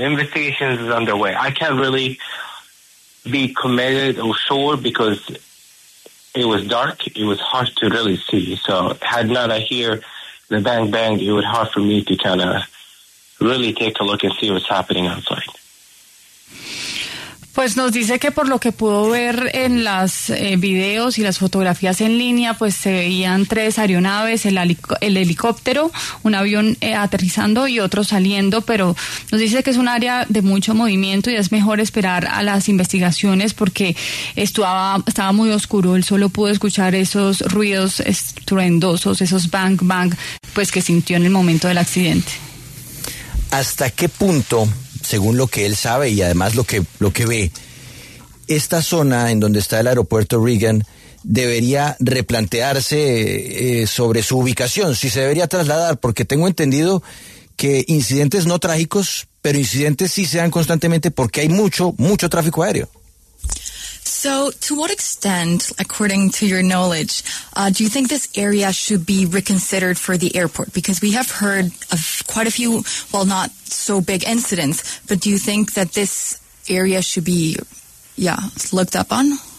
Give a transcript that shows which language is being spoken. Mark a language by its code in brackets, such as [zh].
[en] Investigation is underway. I can't really be committed or sure because it was dark. It was hard to really see. So had not I hear the bang, bang, it was hard for me to kind of really take a look and see what's happening outside. [es] Pues nos dice que por lo que pudo ver en las videos y las fotografías en línea, pues se veían 3 aeronaves, el helicóptero, un avión aterrizando y otro saliendo, pero nos dice que es un área de mucho movimiento y es mejor esperar a las investigaciones porque estaba muy oscuro, él solo pudo escuchar esos ruidos estruendosos, esos bang bang, pues que sintió en el momento del accidente. ¿Hasta qué punto, según lo que él sabe y además lo que ve, esta zona en donde está el aeropuerto Reagan debería replantearse sobre su ubicación, si se debería trasladar? Porque tengo entendido que incidentes no trágicos, pero incidentes sí se dan constantemente porque hay mucho, mucho tráfico aéreo. [en] So, to what extent, according to your knowledge, do you think this area should be reconsidered for the airport? Because we have heard of quite a few, well, not so big incidents, but do you think that this area should be, looked up on?